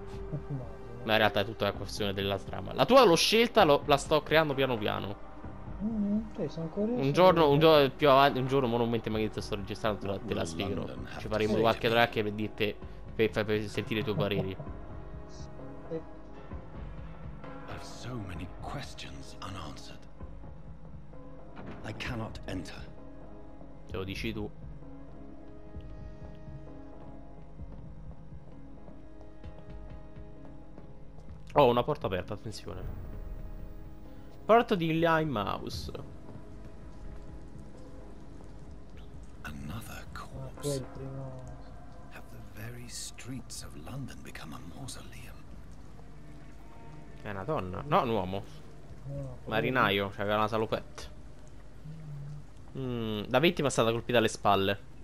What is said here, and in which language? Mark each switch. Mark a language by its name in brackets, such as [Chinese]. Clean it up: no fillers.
[Italian] Immagino. Ma in realtà è tutta la questione della trama. La tua l'ho scelta, la sto creando piano piano. Okay, sono curioso. Un giorno più avanti, un giorno monumento magari te sto registrando, te la spiego. Ci faremo qualche track per dirti, per sentire i tuoi pareri. [English] I've so many questions unanswered. I cannot enter. [Italian] Te lo dici tu. Oh, una porta aperta, attenzione. Porta di Limehouse. [English] Another corpse. Have the very streets of London become a mausoleum. [Italian] È una donna. No, un uomo. Marinaio, cioè aveva una salopette. La vittima è stata colpita alle spalle.